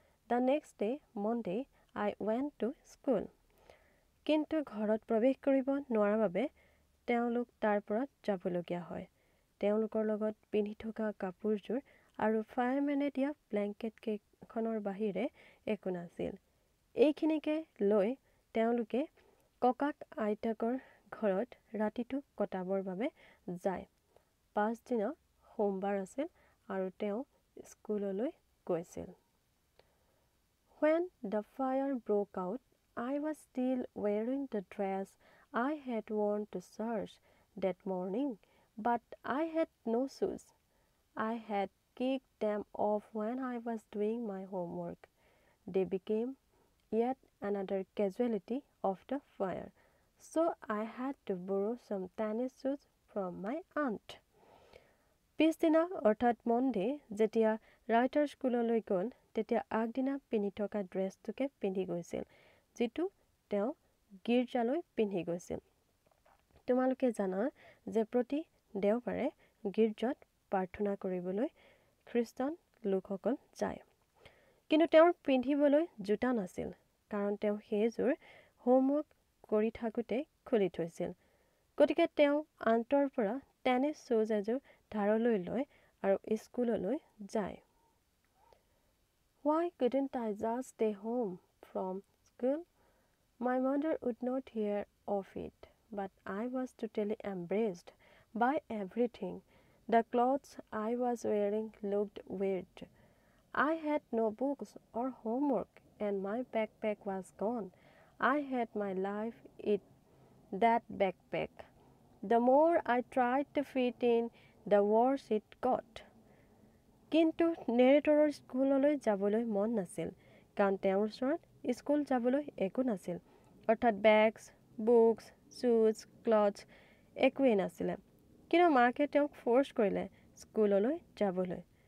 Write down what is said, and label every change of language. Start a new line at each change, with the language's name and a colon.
English: The next day, Monday, I went to school.
Assamese: কিন্তু ঘৰত প্ৰৱেশ কৰিব নোৱাৰাৰ বাবে তেওঁলোক তাৰ পৰা যাবলগীয়া হয়। তেওঁলোকৰ লগত পিন্ধি থকা কাপোৰযোৰ আৰু ফায়াৰমেনে দিয়া ব্লেংকেট কেইখনৰ বাহিৰে একো নাছিল। এইখিনিকে লৈ তেওঁলোকে ককাক আইতাকৰ ঘৰত ৰাতিটো কটাবৰ বাবে যায়। 5 দিনৰ সোমবাৰ আছিল আৰু তেওঁ স্কুললৈ গৈছিল।
English: When the fire broke out, I was still wearing the dress I had worn to church that morning, but I had no shoes. I had kicked them off when I was doing my homework. They became yet another casualty of the fire, so I had to borrow some tennis shoes from my aunt.
Assamese: পিছদিনা অৰ্থাৎ Monday যেতিয়া writer স্কুললৈ গ'ল, তেতিয়া আগদিনা পিন্ধি থকা ড্ৰেছটোকে পিন্ধি গৈছিল যিটো তেওঁ গীৰ্জালৈ পিন্ধি গৈছিল। তোমালোকে জানা যে প্ৰতি দেওবাৰে গীৰ্জাত প্ৰাৰ্থনা কৰিবলৈ খ্ৰীষ্টান লোকসকল যায়। কিন্তু তেওঁৰ পিন্ধিবলৈ জোতা নাছিল, কাৰণ তেওঁ সেইযোৰ হোমৱৰ্ক কৰি থাকোঁতে খুলি থৈছিল। গতিকে তেওঁ আন্তৰ পৰা টেনিছ শ্বুজ এযোৰ ধাৰলৈ লয় আৰু স্কুললৈ যায়।
English: Why couldn't I just stay home from school? My mother would not hear of it, but I was totally embraced by everything. The clothes I was wearing looked weird. I had no books or homework, and my backpack was gone. I had my life in that backpack. The more I tried to fit in, the worse it got.
Assamese: কিন্তু নেৰেটৰৰ স্কুললৈ যাবলৈ মন নাছিল, কাৰণ তেওঁৰ ওচৰত school যাবলৈ একো নাছিল, অৰ্থাৎ বেগ, বুকছ, শ্বুজ, ক্লথছ একোৱেই নাছিলে। কিন্তু মাকে তেওঁক ফ'ৰ্চ কৰিলে স্কুললৈ যাবলৈ।